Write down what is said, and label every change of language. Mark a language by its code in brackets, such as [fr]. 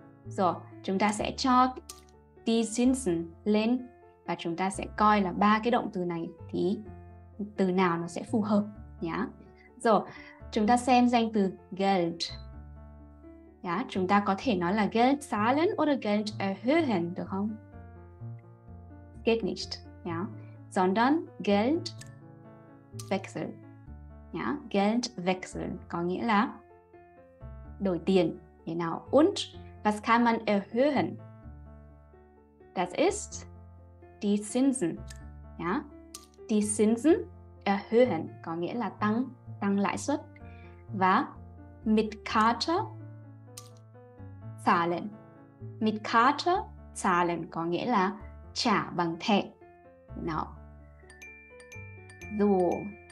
[vi] Rồi, chúng ta sẽ cho die Zinsen lên và chúng ta sẽ coi là ba cái động từ này thì từ nào nó sẽ phù hợp nhá. Rồi, chúng ta xem danh từ Geld. Yeah, chúng ta có thể nói là [de] Geld zahlen oder Geld erhöhen, [vi] được không? [de] Geht nicht, yeah. Sondern Geld wechseln, yeah. Geld wechseln [vi] có nghĩa là đổi tiền, you know. [de] Und was kann man erhöhen? Das ist die Zinsen, yeah. Die Zinsen erhöhen [vi] có nghĩa là tăng lãi suất. [de] Và mit Karte zahlen. Mit Karte zahlen [vi] có nghĩa là trả bằng thẻ. Nào. So.